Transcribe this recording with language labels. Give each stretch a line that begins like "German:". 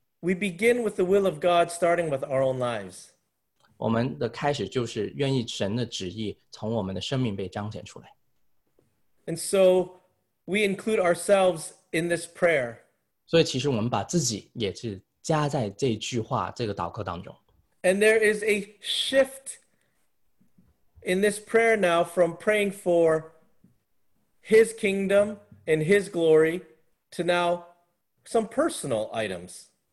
English: We begin with the will of God starting with our own lives.
Chinese: 我们的开始就是愿意神的旨意从我们的生命被彰显出来。
English: And so we include ourselves in this prayer.
Chinese: 所以其实我们把自己也是加在这句话，这个祷告当中。
English: And there is a shift in this prayer now from praying for his kingdom and his glory to now some personal items.